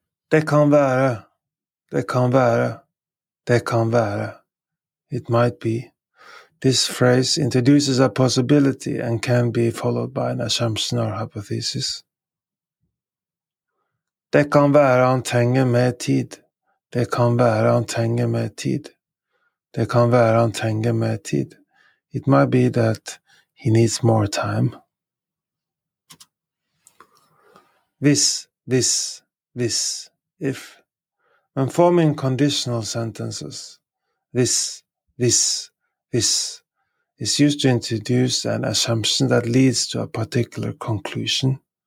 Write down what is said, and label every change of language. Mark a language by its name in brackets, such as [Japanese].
[Norwegian] Det kan være, det kan være, det kan være. [English] It might be. This phrase introduces a possibility and can be followed by an assumption or hypothesis. [Norwegian] Det kan være han trenger mer tid. Det kan være han trenger mer tid. Det kan være han trenger mer tid. [English] It might be that he needs more time. [Norwegian] Hvis, hvis, hvis. [English] If, when forming conditional sentences, this, this, this is used to introduce an assumption that leads to a particular conclusion.